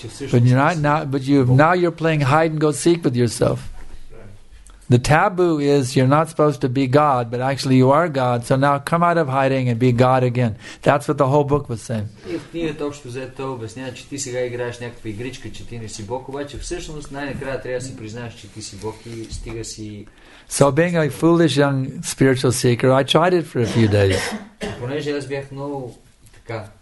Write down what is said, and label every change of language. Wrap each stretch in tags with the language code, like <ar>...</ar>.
<en>But now you're playing hide and go seek with yourself. The taboo is you're not supposed to be God, but actually you are God. So now come out of hiding and be God again. That's what the whole book was saying.</en> <bg>И в книгата общо взето обяснява, че ти сега играеш някаква игричка, че ти не си Бог, обаче всъщност най-накрая трябва да си признаеш, че ти си Бог и стига си.</bg> <en>So being a foolish young spiritual seeker, I tried it for a few days.</en> <bg>Понеже аз бях много така.</bg>